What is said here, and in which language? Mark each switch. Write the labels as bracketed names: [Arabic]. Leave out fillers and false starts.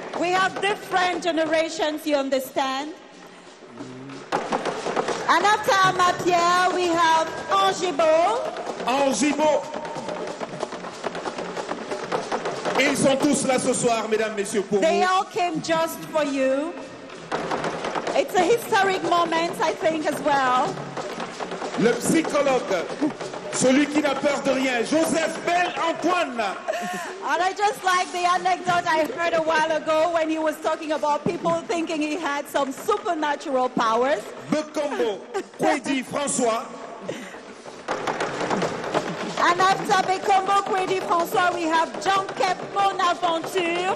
[English] We have different generations, you understand? And after Mapierre, we have Angibo. Angibo. [French] Ils sont tous là ce soir, mesdames, messieurs, pour [English] They [French] vous. [English] All came just for you. It's a historic moment, I think, as well. [French] Le psychologue, celui qui n'a peur de rien, Joseph Bel-Antoine. [English] And I just like the anecdote I heard a while ago when he was talking about people thinking he had some supernatural powers. Bekombo, Kwedi, François. And after Bekombo, Kwedi, François, we have Jean-Kep Bonaventure.